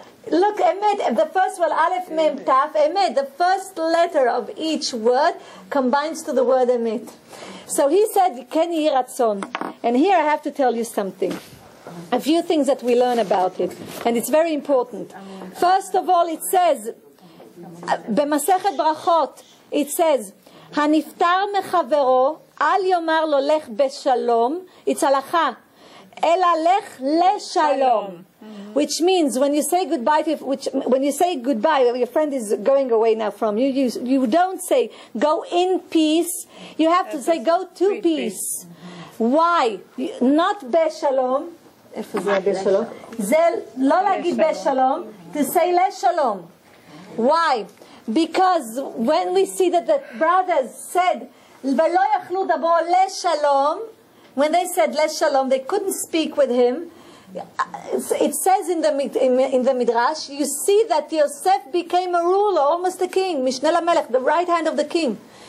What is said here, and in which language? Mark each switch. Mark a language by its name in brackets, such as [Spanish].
[English] Look, emet, the first word, aleph, mem, taf, emet, the first letter of each word combines to the word emet. So he said, [Hebrew] ken yi ratzon. [English] And here I have to tell you something, a few things that we learn about it, and it's very important. First of all, it says, [Hebrew] במסכת ברכות, [English] it says, [Hebrew] הנפטר מחברו, אל יאמר לו לך בשלום, [English] it's [Hebrew] הלכה, אלא לך לשלום. [English] Which means when you say goodbye to, when you say goodbye, your friend is going away now from you, you don't say go in peace, you have to say go to peace. Why? Not [Hebrew] בשלום, איפה זה בשלום? זה לא להגיד בשלום, [English] to say [Hebrew] לשלום. [English] Why? Because when we see that the brothers said, [Hebrew] "Velo yachlu dabo leshalom," [English] when they said leshalom, they couldn't speak with him. It says in the midrash, you see that Yosef became a ruler, almost a king, mishne lamelech, the right hand of the king.